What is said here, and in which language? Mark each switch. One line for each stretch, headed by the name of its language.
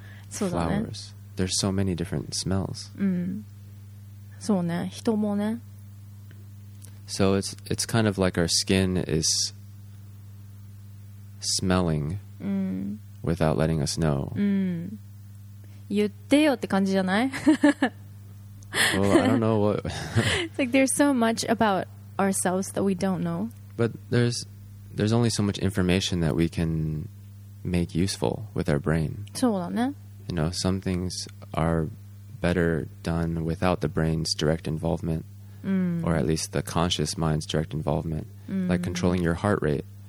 Japanese: そうだね。
English: Flowers. There's so many different smells.
Japanese: そうね。人もね。
English: So it's kind of like our skin is smelling without letting us know.
Japanese: 言ってよって感じじゃない？
English: Well, I don't know what. It's like there's so much about ourselves that we don't know. But there's only so much information that we can make useful with our brain.
Japanese: そうだね。
English: You know, some things are better done without the brain's direct involvement, or at least the conscious mind's direct involvement, like controlling your heart rate.